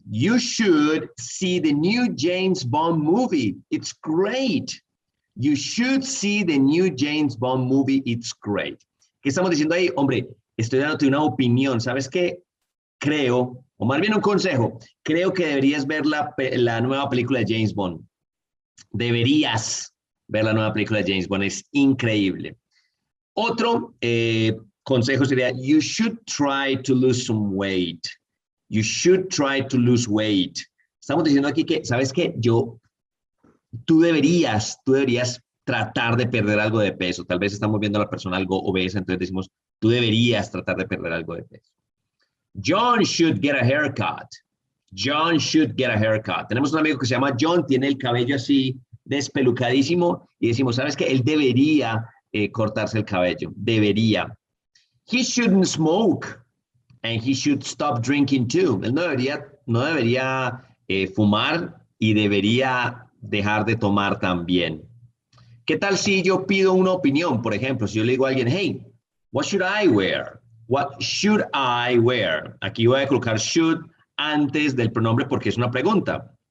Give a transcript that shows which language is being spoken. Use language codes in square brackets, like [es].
[en] You should see the new James Bond movie. It's great. You should see the new James Bond movie. It's great. [es] ¿Qué estamos diciendo ahí? Hombre, estoy dándote una opinión. ¿Sabes qué? Creo, o más bien un consejo, creo que deberías ver la nueva película de James Bond. Deberías ver la nueva película de James Bond, es increíble. Otro consejo sería, [en] you should try to lose some weight. You should try to lose weight. [es] Estamos diciendo aquí que, ¿sabes qué? Tú deberías tratar de perder algo de peso. Tal vez estamos viendo a la persona algo obesa, entonces decimos, tú deberías tratar de perder algo de peso. [en] John should get a haircut. John should get a haircut. [es] Tenemos un amigo que se llama John, tiene el cabello así despelucadísimo y decimos, ¿sabes qué? Él debería cortarse el cabello. Debería. [en] He shouldn't smoke and he should stop drinking too. [es] Él no debería fumar y debería dejar de tomar también. ¿Qué tal si yo pido una opinión? Por ejemplo, si yo le digo a alguien, [en] hey, what should I wear? What should I wear? [es] Aquí voy a colocar should antes del pronombre porque es una pregunta.